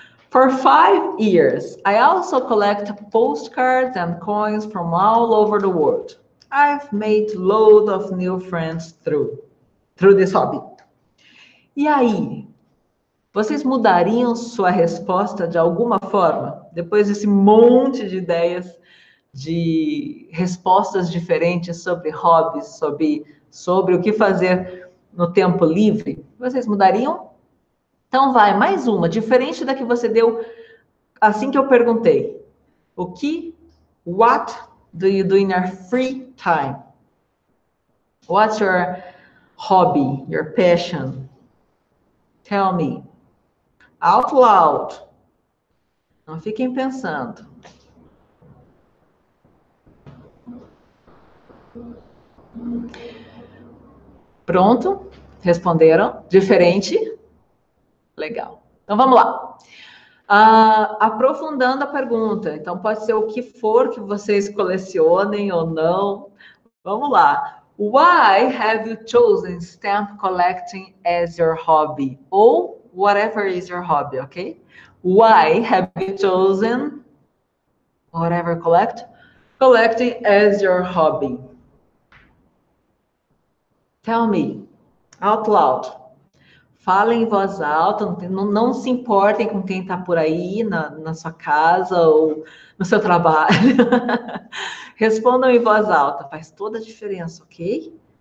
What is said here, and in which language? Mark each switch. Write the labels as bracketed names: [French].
[English] For 5 years, I also collect postcards and coins from all over the world. I've made loads of new friends through this hobby. [Portuguese] E aí, vocês mudariam sua resposta de alguma forma? Depois desse monte de ideias, de respostas diferentes sobre hobbies, sobre o que fazer no tempo livre, vocês mudariam? Então vai, mais uma, diferente da que você deu assim que eu perguntei. O que? [English] What? Do you do in your free time? What's your hobby, your passion? Tell me. Out loud. [Portuguese] Não fiquem pensando. Pronto? Responderam? Diferente? Legal. Então vamos lá. Aprofundando a pergunta, então pode ser o que for que vocês colecionem ou não. Vamos lá. [English] Why have you chosen stamp collecting as your hobby? [Portuguese] Ou [English] whatever is your hobby, ok? Why have you chosen whatever collecting as your hobby? Tell me out loud. [Portuguese] Falem em voz alta, não se importem com quem está por aí na sua casa ou no seu trabalho. Respondam em voz alta, faz toda a diferença, ok?